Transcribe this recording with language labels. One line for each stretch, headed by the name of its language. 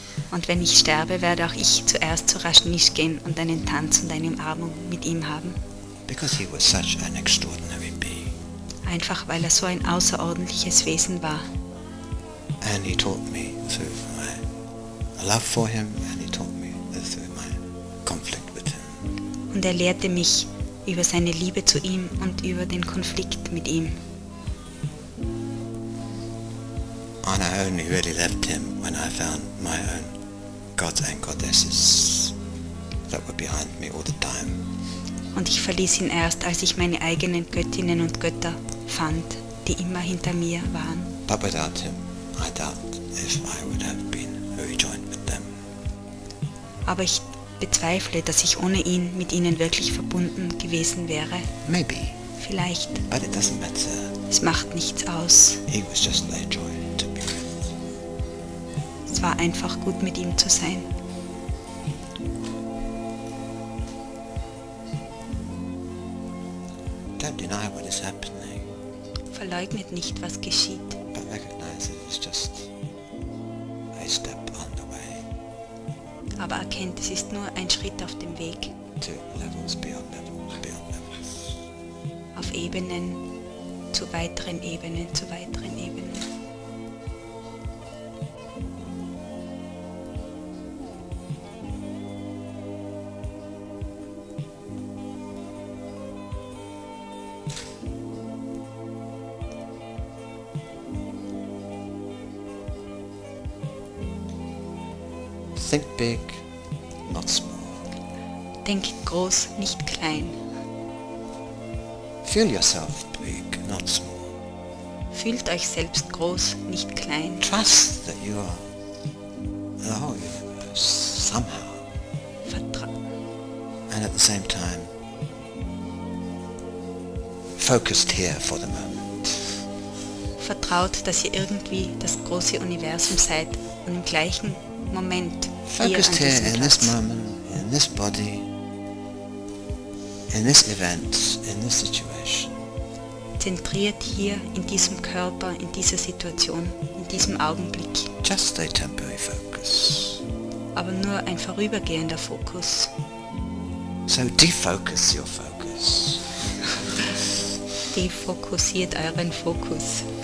German: Und wenn ich sterbe, werde auch ich zuerst zu Rajneesh gehen und einen Tanz und eine Umarmung mit ihm haben.
English: Because he was such an extraordinary being.
German: Einfach weil er so ein außerordentliches Wesen war.
English: And he taught me through my love for him, and he taught me through my conflict with him.
German: Und er lehrte mich über seine Liebe zu ihm und über den Konflikt mit ihm.
English: And I only really left him when I found my own gods and goddesses that were behind me all the time.
German: Und ich verließ ihn erst, als ich meine eigenen Göttinnen und Götter fand, die immer hinter mir waren.
English: But without him, I doubt if I would have been rejoined with them.
German: Aber ich bezweifle, dass ich ohne ihn mit ihnen wirklich verbunden gewesen wäre.
English: Maybe.
German: Vielleicht.
English: But it doesn't matter.
German: Es macht nichts aus.
English: He was just their joy to be with.
German: Es war einfach gut, mit ihm zu sein.
English: Don't deny what is happening.
German: Verleugnet nicht, was geschieht.
English: But recognize it is just a step on the way.
German: Aber erkennt, es ist nur ein Schritt auf dem Weg.
English: To levels beyond levels beyond levels.
German: Auf Ebenen, zu weiteren Ebenen, zu weiteren Ebenen.
English: Think big, not small.
German: Denk groß, nicht klein.
English: Feel yourself big, not small.
German: Fühlt euch selbst groß, nicht klein.
English: Trust that you are the whole universe, somehow. And at the same time, focused here for the moment.
German: Vertraut, dass ihr irgendwie das große Universum seid und im gleichen Moment.
English: Focused here in this moment, in this body, in this event, in this situation.
German: Zentriert hier in diesem Körper, in dieser Situation, in diesem Augenblick.
English: Just a temporary focus.
German: Aber nur ein vorübergehender Fokus.
English: So defocus your focus.
German: Defokussiert euren Fokus.